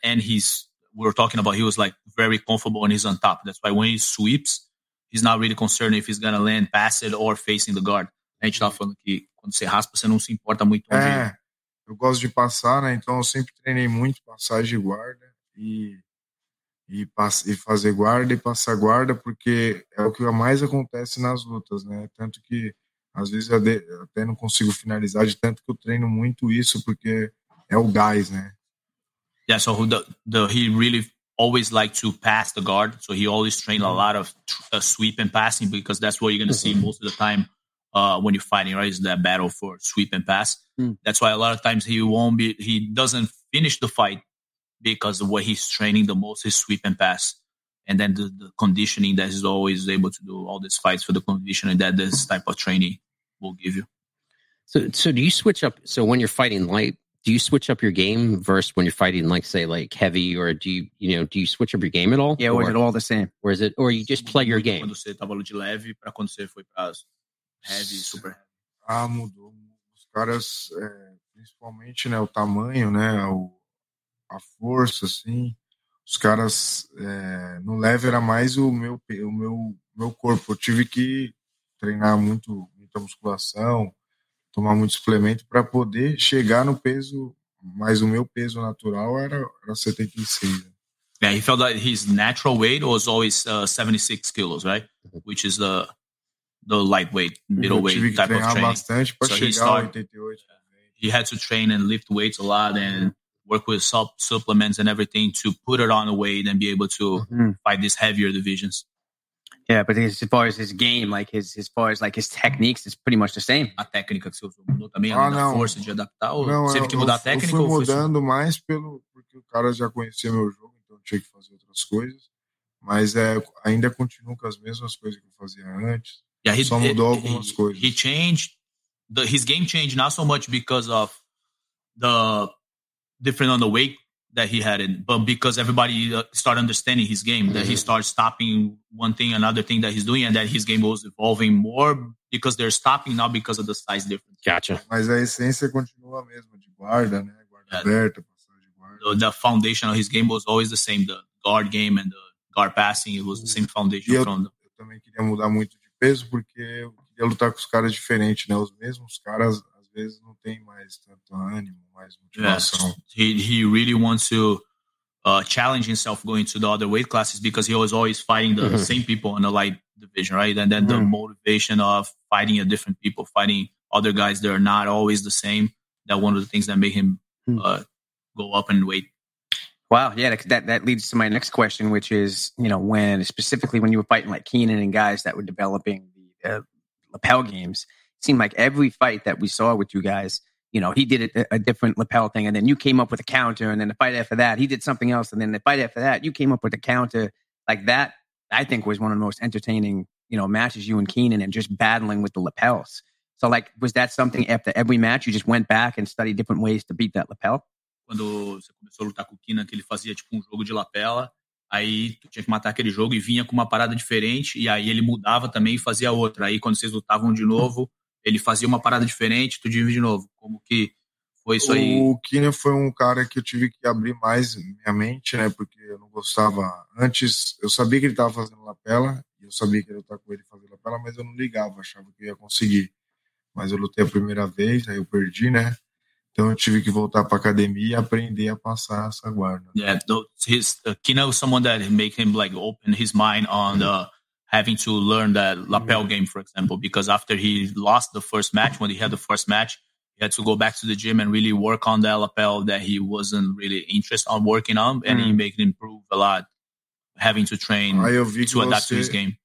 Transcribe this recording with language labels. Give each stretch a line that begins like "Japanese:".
English: And he was like very comfortable when he's on top. That's why when he sweeps, he's not really concerned if he's going to land past it or facing the guard.
Portuguese: A gente tava falando que quando você raspa, você não se importa muito. É, eu gosto de passar, né? Então eu sempre treinei muito passagem de guarda e fazer guarda e passar guarda, porque é o que mais acontece nas lutas, né? Tanto que, às vezes, até não consigo finalizar de tanto que eu treino muito isso, porque é o gás, né?
English: Yeah, so he really always like to pass the guard, so he always train a lot of sweep and passing, because that's what you're going to see most of the time when you're fighting, right? It's that battle for sweep and pass. Mm. That's why a lot of times he doesn't finish the fight because of what he's training the most is sweep and pass. And then the conditioning that he's always able to do all these fights for the conditioning that this type of training will give you. So do you switch up? So when you're fighting light, do you switch up your game versus when you're fighting, like, say, like heavy, or do you switch up your game at all? Yeah, or is it all the same? Or is it, or you just play your game?
Portuguese: Quando você tava de leve para quando você foi para heavy, super heavy. Ah, mudou. Os caras, principalmente, né, o tamanho, né, a força, assim. Os caras, no leve era mais o meu corpo. Eu tive que treinar muito, muita musculação. Tomar muito suplemento para poder chegar no peso, mas o meu peso natural era 76.
English: Yeah, he felt that his natural weight was always 76 kilos, right? Which is the lightweight, middleweight type of training.
Portuguese: Eu tive que treinar bastante para chegar a 88.
English: He had to train and lift weights a lot and work with supplements and everything to put it on a weight and be able to fight these heavier divisions. Yeah, but as far as his game, like as far as like his techniques, it's pretty much the same.
Portuguese: A técnica que você mudou também, a força de adaptar, ou não, você teve que mudar a técnica? Eu fui mudando mais porque o cara já conhecia meu jogo, então eu tinha que fazer outras coisas. Mas ainda continuo com as mesmas coisas que eu fazia antes.
English: Yeah,
Portuguese: só mudou algumas coisas.
English: He changed, his game changed not so much because of the difference on the weight that he had it, but because everybody started understanding his game, that he starts stopping one thing, another thing that he's doing, and that his game was evolving more because they're stopping, not because of the size difference. Gotcha.
Portuguese: Mas a essência continua a mesma, de guarda, né? Guarda aberta, passagem de guarda.
English: The foundation of his game was always the same, the guard game and the guard passing, it was the same foundation.
Portuguese: Eu também queria mudar muito de peso porque eu queria lutar com os caras diferentes, né? Os mesmos caras, às vezes, não tem mais tanto ânimo.
English: Yeah. He really wants to challenge himself going to the other weight classes because he was always fighting the same people in the light division, right? And then the motivation of fighting a different people, fighting other guys that are not always the same, that one of the things that made him go up in weight. Wow, yeah, that leads to my next question, which is, you know, when specifically when you were fighting like Keenan and guys that were developing the lapel games, it seemed like every fight that we saw with you guys, you know, he did a different lapel thing, and then you came up with a counter, and then the fight after that, he did something else, and then the fight after that, you came up with a counter. Like, that, I think, was one of the most entertaining, you know, matches, you and Keenan, and just battling with the lapels. So, like, was that something after every match, you just went back and studied different ways to beat that lapel?
Portuguese: Quando você começou a lutar com o Keenan, que ele fazia, tipo, jogo de lapela, aí tu tinha que matar aquele jogo e vinha com uma parada diferente, e aí ele mudava também e fazia outra. Aí, quando vocês lutavam de novo... Ele fazia uma parada diferente, tu divide de novo. Como que foi isso aí? O Keenan foi um cara que eu tive que abrir mais minha mente, né? Porque eu não gostava. Antes, eu sabia que ele tava fazendo lapela, e eu sabia que ele tava com ele fazendo lapela, mas eu não ligava, achava que eu ia conseguir. Mas eu lutei a primeira vez, aí eu perdi, né? Então eu tive que voltar pra academia e aprender a passar essa guarda.
English: Yeah, Keenan was someone that made him like open his mind on the having to learn that lapel game, for example, because after he lost the first match, when he had the first match, he had to go back to the gym and really work on that lapel that he wasn't really interested on working on, and he made it improve a lot, having to train to adapt to his game.